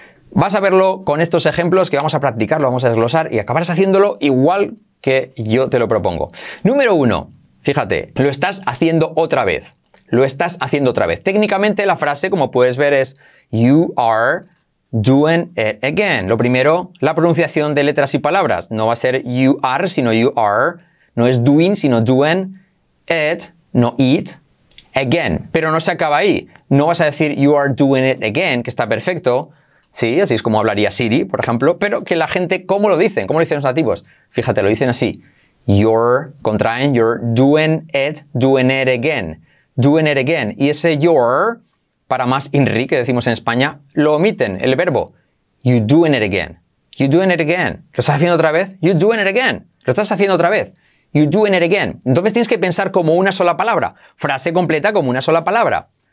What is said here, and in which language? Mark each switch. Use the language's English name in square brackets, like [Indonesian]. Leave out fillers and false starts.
[Spanish] Vas a verlo con estos ejemplos que vamos a practicarlo, vamos a desglosar y acabarás haciéndolo igual que yo te lo propongo. Número uno, fíjate, lo estás haciendo otra vez. Lo estás haciendo otra vez. Técnicamente la frase, como puedes ver, es [English] you are doing it again. [Spanish] Lo primero, la pronunciación de letras y palabras. No va a ser [English] you are, [Spanish] sino you are. No es [English] doing, [Spanish] sino [English] doing it, [Spanish] no it. [English] Again. [Spanish] Pero no se acaba ahí. No vas a decir [English] you are doing it again, [Spanish] que está perfecto. Sí, así es como hablaría Siri, por ejemplo, pero que la gente, ¿cómo lo dicen? ¿Cómo lo dicen los nativos? Fíjate, lo dicen así. [English] You're, [Spanish] contraen, [English] you're doing it again. Doing it again. [Spanish] Y ese you're, para más inri, que decimos en España, lo omiten, el verbo. [English] You're doing it again. [Spanish] You're doing it again. ¿Lo estás haciendo otra vez? You're doing it again. ¿Lo estás haciendo otra vez? You're doing it again. Entonces tienes que pensar como una sola palabra. Frase completa como una sola palabra.